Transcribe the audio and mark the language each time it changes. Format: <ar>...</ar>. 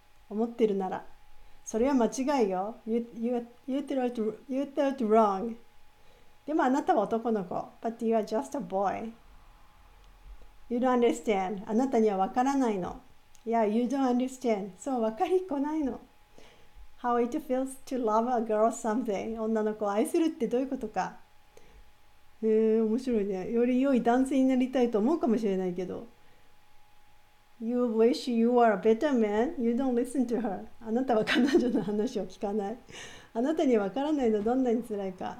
<ja>思ってるなら。それは間違いよ。</ja> <en>You thought wrong.</en> <ja>でもあなたは男の子。</ja> <en>But you are just a boy. You don't understand.</en> <ja>あなたにはわからないの。</ja> <en>Yeah, you don't understand.</en> <ja>そう、わかりっこないの。</ja> <en>How it feels to love a girl something.</en> <ja>女の子を愛するってどういうことか。面白いね。より良い男性になりたいと思うかもしれないけど。</ja> <en>You wish you were a better man. You don't listen to her.</en> <ja>あなたは彼女の話を聞かない。あなたにわからないのどんなに辛いか。</ja>